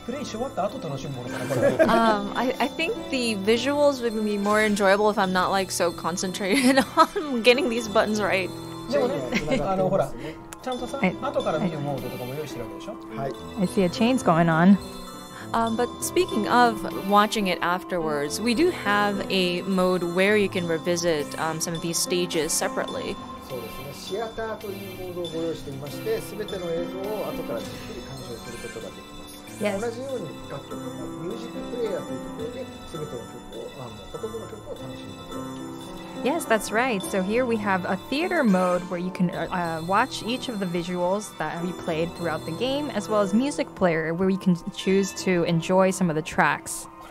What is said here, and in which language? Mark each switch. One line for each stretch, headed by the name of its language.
English: I think the visuals would be more enjoyable if I'm not like so concentrated on getting these buttons right. I see a chain's going on. But speaking of watching it afterwards, we do have a mode where you can revisit some of these stages separately.
Japanese: シアターというモードをご用意していまして、すべての映像を後からじっくり鑑賞することができます。
English: <Yes.
Japanese: S 2> 同じように楽曲のミュージックプレイヤーというところで、すべての曲を、ほとんどの曲を楽しむことができます。
English: Yes, that's right. So here we have a theater mode where you can watch each of the visuals that we played throughout the game, as well as music player where you can choose to enjoy some of the tracks.